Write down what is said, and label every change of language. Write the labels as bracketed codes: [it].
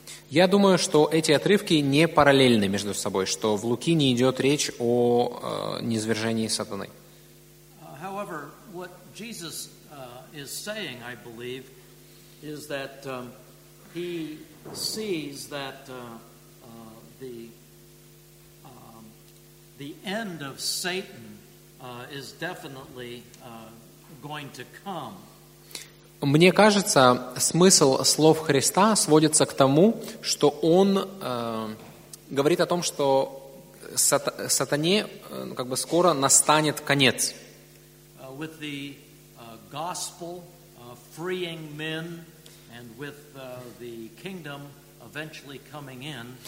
[ru] Я думаю, что эти отрывки не параллельны между собой, что в Луки не идет речь о низвержении сатаны. [en] However, what Jesus is saying, I believe, is that he sees that the end of Satan is definitely going to come. [ru] Мне кажется, смысл слов Христа сводится к тому, что он говорит о том, что сатане как бы скоро настанет конец. [en] With the gospel freeing men and with the kingdom eventually coming in.